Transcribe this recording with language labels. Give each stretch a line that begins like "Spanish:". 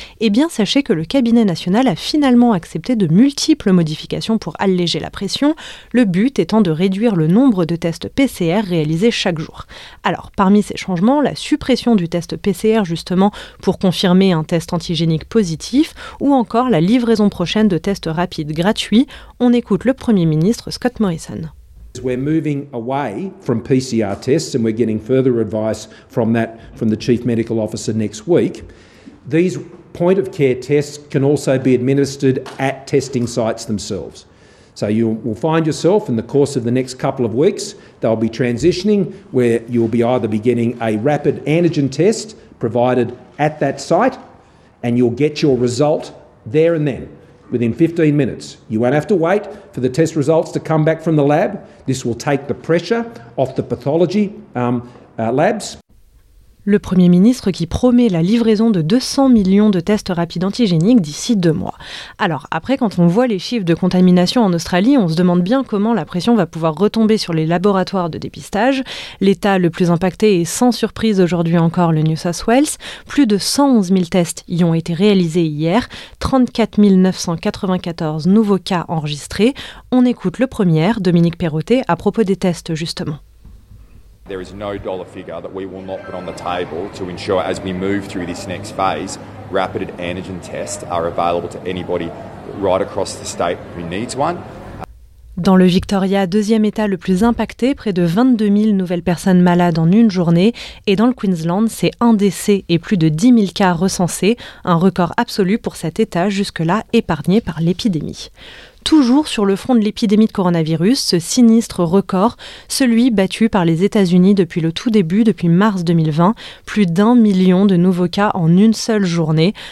French: Eh bien, sachez que le cabinet national a finalement accepté de multiples modifications pour alléger la pression, le but étant de réduire le nombre de tests PCR réalisés chaque jour. Alors, parmi ces changements, la suppression du test PCR justement pour confirmer un test antigénique positif ou encore la livraison prochaine de tests rapides gratuits. On écoute le Premier ministre Scott Morrison.
English: We're moving away from PCR tests and we're getting further advice from that from the Chief Medical Officer next week. These point of care tests can also be administered at testing sites themselves. So you will find yourself in the course of the next couple of weeks, they'll be transitioning where you'll be either beginning a rapid antigen test provided at that site, and you'll get your result there and then, within 15 minutes. You won't have to wait for the test results to come back from the lab. This will take the pressure off the pathology labs.
French: Le Premier ministre qui promet la livraison de 200 millions de tests rapides antigéniques d'ici 2 mois. Alors après, quand on voit les chiffres de contamination en Australie, on se demande bien comment la pression va pouvoir retomber sur les laboratoires de dépistage. L'état le plus impacté est sans surprise aujourd'hui encore le New South Wales. Plus de 111 000 tests y ont été réalisés hier, 34 994 nouveaux cas enregistrés. On écoute le premier, Dominique Perrottet, à propos des tests justement.
English: There is no dollar figure that we will not put on the table to ensure as we move through this next phase, rapid antigen tests are available to anybody right across the state who needs one.
French: Dans le Victoria, deuxième état le plus impacté, près de 22 000 nouvelles personnes malades en une journée. Et dans le Queensland, c'est un décès et plus de 10 000 cas recensés, un record absolu pour cet état jusque-là épargné par l'épidémie. Toujours sur le front de l'épidémie de coronavirus, ce sinistre record, celui battu par les États-Unis depuis le tout début, depuis mars 2020, plus d'un million de nouveaux cas en une seule journée.